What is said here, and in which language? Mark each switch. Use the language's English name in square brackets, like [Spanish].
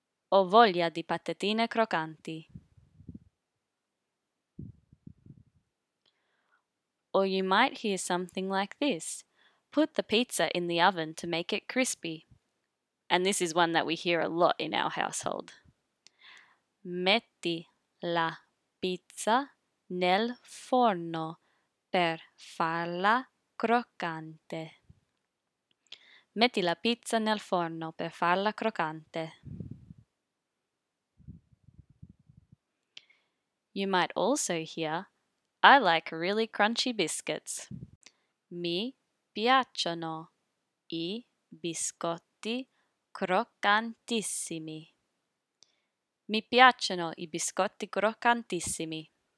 [Italian] Ho voglia di patatine croccanti. [English] Or you might hear something like this. Put the pizza in the oven to make it crispy. And this is one that we hear a lot in our household. [Italian] Metti la pizza nel forno per farla croccante. Metti la pizza nel forno per farla croccante. [English] You might also hear, I like really crunchy biscuits. [Italian] Mi piacciono I biscotti croccantissimi. Mi piacciono I biscotti croccantissimi.